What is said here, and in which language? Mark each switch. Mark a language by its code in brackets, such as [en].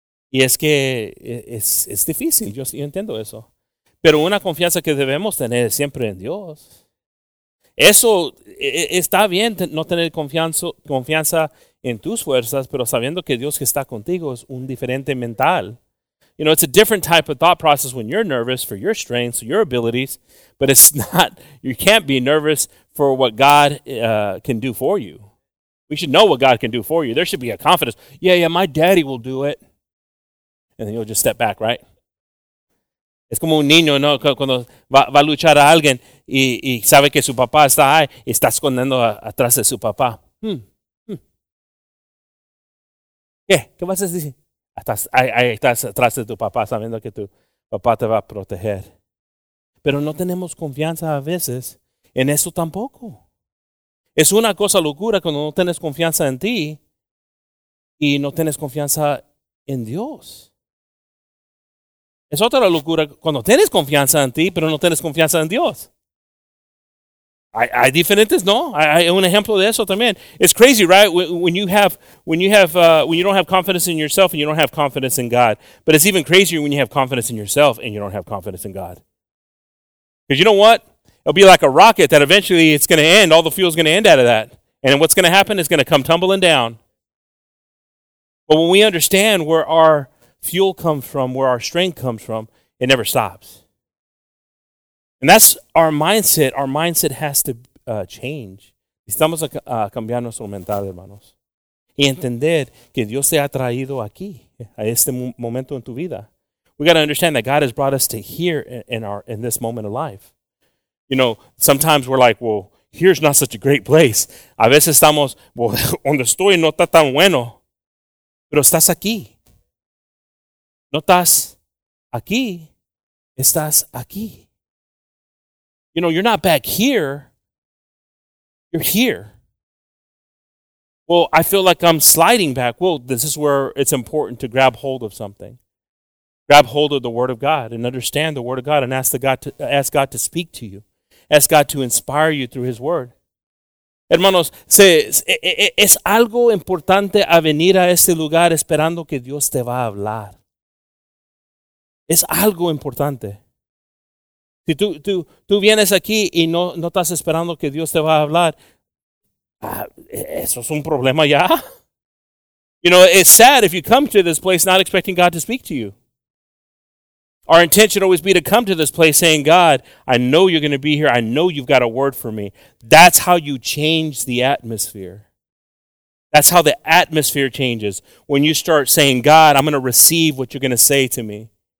[es] Y es que es difícil, yo entiendo eso. Pero una confianza que debemos tener siempre en Dios. Eso está bien, no tener confianza en tus fuerzas, pero sabiendo que Dios que está contigo es un diferente mental. [en] You know, it's a different type of thought process when you're nervous for your strengths, your abilities, but it's not, you can't be nervous for what God can do for you. We should know what God can do for you. There should be a confidence. Yeah, my daddy will do it. And then you'll just step back, right? [es] Es como un niño, ¿no? Cuando va a luchar a alguien y sabe que su papá está ahí, está escondiendo atrás de su papá. ¿Qué vas a decir? Estás atrás de tu papá sabiendo que tu papá te va a proteger. Pero no tenemos confianza a veces en eso tampoco. Es una cosa locura cuando no tienes confianza en ti y no tienes confianza en Dios. Es otra locura cuando tienes confianza en ti, pero no tienes confianza en Dios. Hay diferentes, ¿no? Hay un ejemplo de eso también. [en] It's crazy, right? When you don't have confidence in yourself and you don't have confidence in God. But it's even crazier when you have confidence in yourself and you don't have confidence in God. Because you know what? It'll be like a rocket that eventually it's going to end. All the fuel's going to end out of that. And what's going to happen is going to come tumbling down. But when we understand where our fuel comes from, where our strength comes from, it never stops. And that's our mindset. Our mindset has to change. [es] Estamos a cambiar nuestro mental, hermanos. Y entender que Dios te ha traído aquí, a este momento en tu vida. [en] We got to understand that God has brought us to here in this moment of life. You know, sometimes we're like, well, here's not such a great place. [es] A veces estamos, well, donde estoy no está tan bueno. Pero estás aquí. No estás aquí, estás aquí. [en] You know, you're not back here, you're here. Well, I feel like I'm sliding back. Well, this is where it's important to grab hold of something. Grab hold of the Word of God and understand the Word of God and ask God to speak to you. Ask God to inspire you through His Word. [es] Hermanos, es algo importante a venir a este lugar esperando que Dios te va a hablar. Es algo importante. Si tú vienes aquí y no estás esperando que Dios te va a hablar, eso es un problema ya. [en] You know, it's sad if you come to this place not expecting God to speak to you. Our intent should always be to come to this place saying, God, I know you're going to be here. I know you've got a word for me. That's how you change the atmosphere. That's how the atmosphere changes. When you start saying, God, I'm going to receive what you're going to say to me.